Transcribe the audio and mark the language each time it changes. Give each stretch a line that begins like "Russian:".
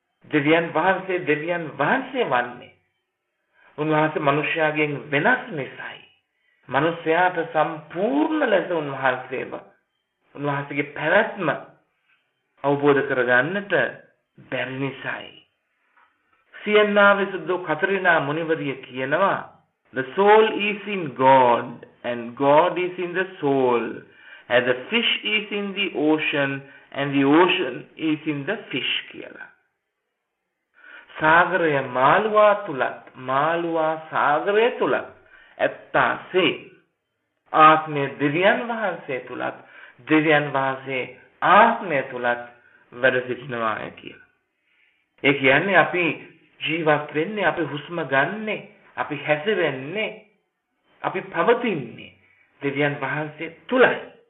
Sinhala: දෙවියන් වහන්සේ දෙවියන් වහන්සේ වන්නේ උන්වහන්සේ මනුෂ්‍යයාගෙන් වෙනස් නිසායි. මනුෂ්‍යයාට සම්පූර්ණ ලෙස උන්වහන්සේව උන්වහන්සේගේ පැවැත්ම අවබෝධ කරගන්නට බැරි නිසායි. සියන්නාවේ සුද්ධ කතරිනා මුනිවරිය කියනවා,
English: "The soul is in God and God is in the soul, as the fish
Sinhala: is in the ocean and the ocean is in the fish" කියලා. සාගරය මාළුවා තුලත් මාළුවා සාගරය තුලත් ඇත්තාසේ ආත්මය දෙවියන් වහන්සේ තුලත් දෙවියන් වහන්සේ ආත්මය තුලත් වැඩ සිටිනවා කියලා. ඒ කියන්නේ අපි ජීවත් වෙන්නේ, අපි හුස්ම ගන්නේ, අපි හැසිරෙන්නේ, අපි පවතින්නේ දෙවියන් වහන්සේ තුලයි.